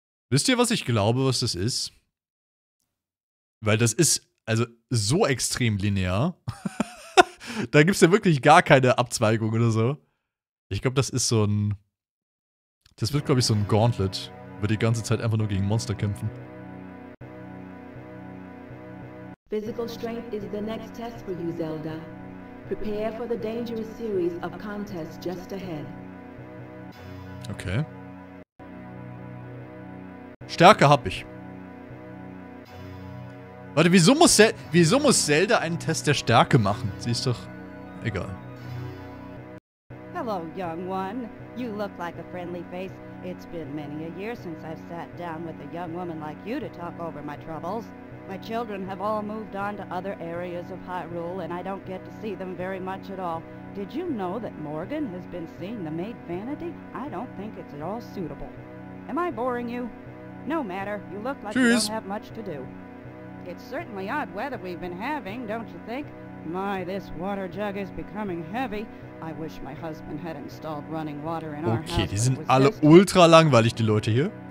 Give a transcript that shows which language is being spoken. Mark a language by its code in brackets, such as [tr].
[de] Wisst ihr, was ich glaube, was das ist? Weil das ist also so extrem linear. Da gibt's ja wirklich gar keine Abzweigung oder so. Ich glaube, das ist so ein... Das wird, glaube ich, so ein Gauntlet. Wird die ganze Zeit einfach nur gegen Monster kämpfen. [en] Physical strength is the next test for you, Zelda. Prepare for the dangerous series of contests just ahead. Okay. [de] Stärke hab ich. Warte, wieso muss Zelda einen Test der Stärke machen? Sie ist doch... egal. [en] Hello, young one. You look like a friendly face. It's been many a year since I've sat down with a young woman like you to talk over my troubles. My children have all moved on to other areas of Hyrule, and I don't get to see them very much at all. Did you know that Morgan has been seeing the maid Vanity? I don't think it's at all suitable. Am I boring you? No matter. You look like Cheers. You don't have much to do. It's certainly odd weather we've been having, don't you think? My, this water jug is becoming heavy. I wish my husband had installed running water in our house. [de] Okay, die sind alle ultra langweilig, die Leute hier.